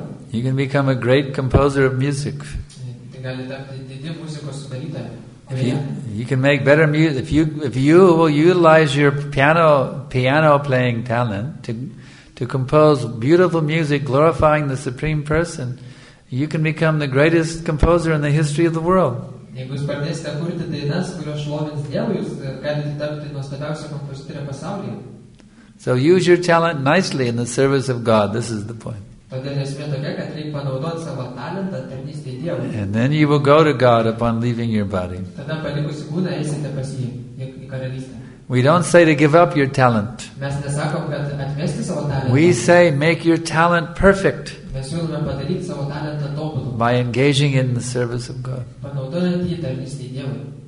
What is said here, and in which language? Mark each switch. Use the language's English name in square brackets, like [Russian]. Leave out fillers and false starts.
[English] You can become a great composer of music. You can make better music. If you will utilize your piano playing talent to compose beautiful music glorifying the Supreme Person, you can become the greatest composer in the history of the world. [Lithuanian] Jeigu jūs pradėsite kurti dainas, kurios šlovins Dievą, jūs galite tapti nuostabiausią kompozitorių pasaulyje. [English] So use your talent nicely in the service of God. This is the point. [Lithuanian] Todėl esmė tokia, kad reikia panaudoti savo talentą tarnystei Dievui. [English] And then you will go to God upon leaving your body. [Lithuanian] Tada palikusi kūną eisite pas jį, į karalystę. [English] We don't say to give up your talent. [Lithuanian] Mes nesakom, kad atmesti savo talentą. [English] We say make your talent perfect. [Lithuanian] Mes siūlome padaryti savo talentą tobulą. [English] By engaging in the service of God. [Lithuanian] Panaudojant jį tarnystei Dievui.